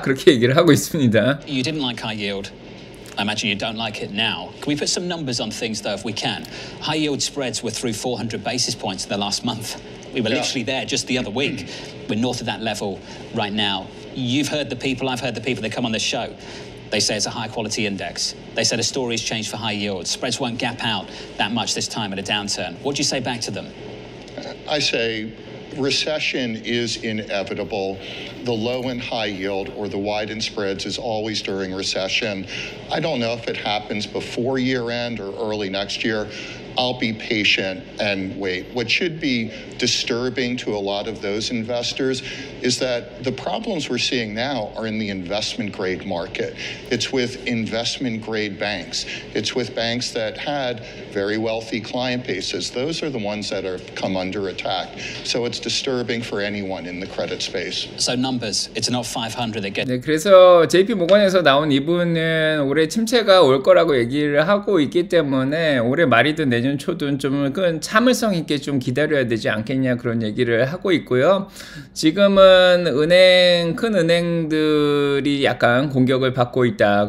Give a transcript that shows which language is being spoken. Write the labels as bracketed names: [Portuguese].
[Korean] 그렇게 얘기를 하고 있습니다. [English] You didn't like high yield. I imagine you don't like it now. Can we put some numbers on things though, if we can? High yield spreads were through 400 basis points in the last month. We were literally there just the other week. We're north of that level right now. You've heard the people, I've heard the people that come on the show. They say it's a high quality index. They said a story's changed for high yield. Spreads won't gap out that much this time in a downturn. What do you say back to them? I say recession is inevitable. The low in high yield or the wide in spreads is always during recession. I don't know if it happens before year-end or early next year. I'll be patient and wait. What should be disturbing to a lot of those investors is that the problems we're seeing now are in the investment grade market. It's with investment grade banks. It's with banks that had very wealthy client bases. Those are the ones that have come under attack. So it's disturbing for anyone in the credit space. So numbers, it's not 500 that get. [Korean] 네, 그래서 JP 모건에서 나온 이분은 올해 침체가 올 거라고 얘기를 하고 있기 때문에 올해 말이든 내년 초든 좀 참을성 있게 좀 기다려야 되지 않겠냐 그런 얘기를 하고 있고요. 지금은 은행, 큰 은행들이 약간 공격을 받고 있다.